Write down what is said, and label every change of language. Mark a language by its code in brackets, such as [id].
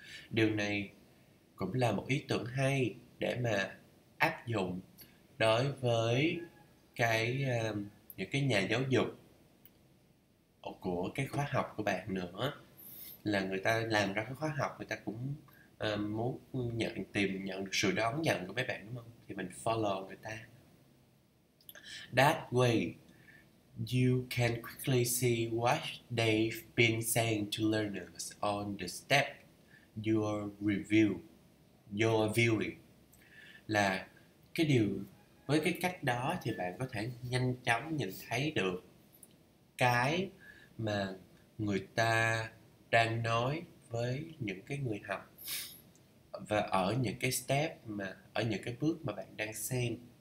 [vi] Điều này cũng là một ý tưởng hay để mà áp dụng đối với cái những cái nhà giáo dục của cái khóa học của bạn nữa, là người ta làm ra cái khóa học, người ta cũng muốn nhận tìm nhận được sự đón nhận của mấy bạn đúng không? Thì mình follow người ta. [en] That way, you can quickly see what they've been saying to learners on the step you're viewing. [vi] Là cái điều, với cái cách đó thì bạn có thể nhanh chóng nhìn thấy được cái mà người ta đang nói với những cái người học, và ở những cái step mà, ở những cái bước mà bạn đang xem.